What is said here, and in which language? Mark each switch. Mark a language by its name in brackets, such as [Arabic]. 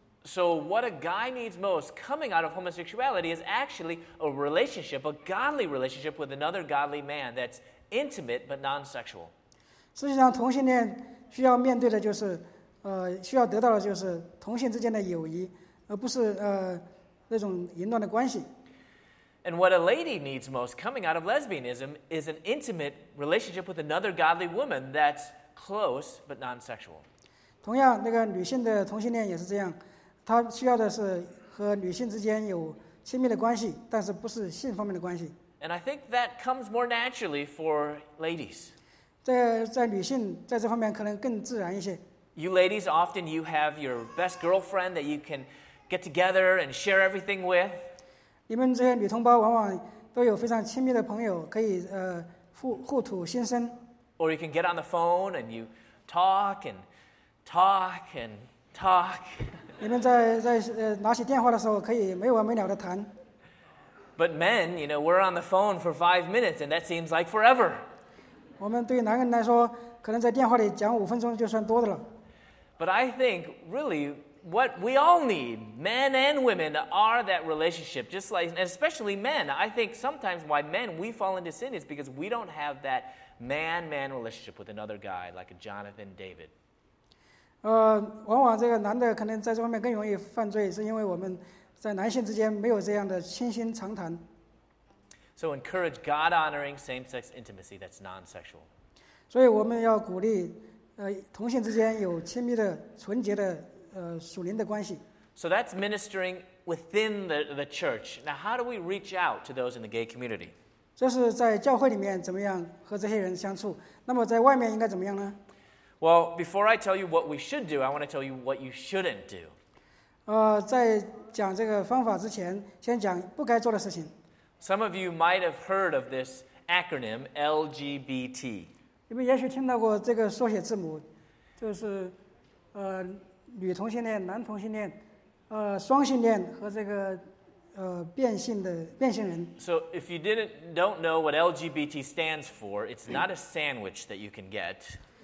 [English] So what a guy needs most coming out of homosexuality is actually a relationship, a godly relationship with another godly man that's intimate but non-sexual. [Chinese] 实际上同性恋需要面对的就是需要得到的就是同性之间的友谊，而不是那种淫乱的关系。 [English] And what a lady needs most coming out of lesbianism is an intimate relationship with another godly woman that's close but non-sexual. [Chinese] 同样那个女性的同性恋也是这样。他需要的是和女性之间有亲密的关系，但是不是性方面的关系。 [English] And I think that comes more naturally for ladies. [Chinese] 在女性在这方面可能更自然一些。 [English] You ladies, often you have your best girlfriend that you can get together and share everything with. [Chinese] 你们这些女同胞往往都有非常亲密的朋友，可以互吐心声。 [English] Or you can get on the phone and you talk and talk and talk. [Chinese] 你们在拿起电话的时候可以没完没了的谈。 [English] But men, you know, we're on the phone for 5 minutes and that seems like forever. [Chinese] 我们对男人来说可能在电话里讲5分钟就算多的了。 [English] But I think really what we all need, men and women, are that relationship. Just like, especially men. I think sometimes why men, we fall into sin is because we don't have that man-man relationship with another guy like a Jonathan, David. [Chinese] 往往这个男的可能在这方面更容易犯罪, 是因为我们在男性之间没有这样的倾心长谈。 [English] So encourage God-honoring same-sex intimacy that's non-sexual. [Chinese] 所以我们要鼓励, 同性之间有亲密的纯洁的 [English] So that's ministering within the church. Now, how do we reach out to those in the gay community? [Chinese] 这是在教会里面怎么样和这些人相处?那么在外面应该怎么样呢? [English] Well, before I tell you what we should do, I want to tell you what you shouldn't do. [Chinese] 在讲这个方法之前, 先讲不该做的事情。 [English] Some of you might have heard of this acronym, LGBT. [Chinese] 你们也许听到过这个缩写字母, 就是, 女同性恋、男同性恋、双性恋和这个变性的变性人。 [English] So if you don't know what LGBT stands for, it's not a sandwich that you can get.